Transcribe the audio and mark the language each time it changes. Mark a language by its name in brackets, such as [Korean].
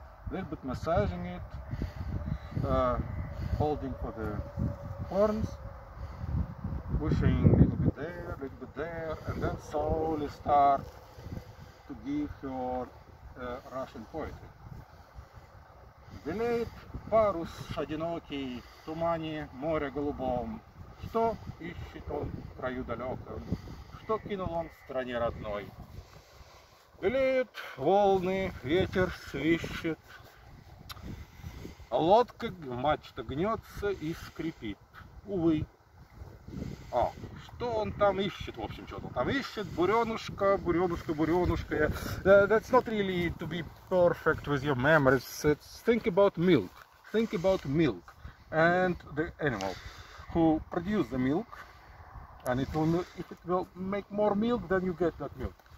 [English] A little bit massaging it, holding for the horns, pushing a little bit there, and then slowly start to give your Russian poetry. [Russian] Белеет парус одинокий в тумане море голубом. Что ищет он в краю далеком? Что кинул он в стране родной? Белеют волны, ветер свищет. А лодка, мачта гнется и скрипит. Увы. А, что он там ищет, в общем, что-то там ищет. Буренушка, буренушка, буренушка. [English] That's not really to be perfect with your memories. Think about milk. Think about milk. And the animal who produce the milk. And it will, if it will make more milk, then you get that milk.